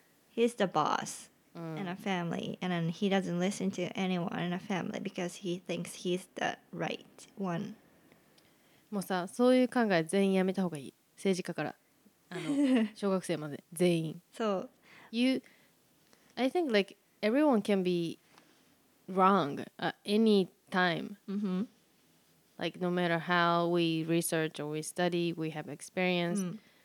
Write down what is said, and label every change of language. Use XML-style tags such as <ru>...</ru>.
<en>He's the boss in a family, and then he doesn't listen to anyone in a family because he thinks he's the right one.</en> <ja>もうさ、そういう考え全員やめた方がいい。政治家から。あの小学生まで全員そう、</ja> <en>so, You I think like everyone can be wrong at any time、 mm-hmm. like no matter how we research or we study we have experience、mm.</en>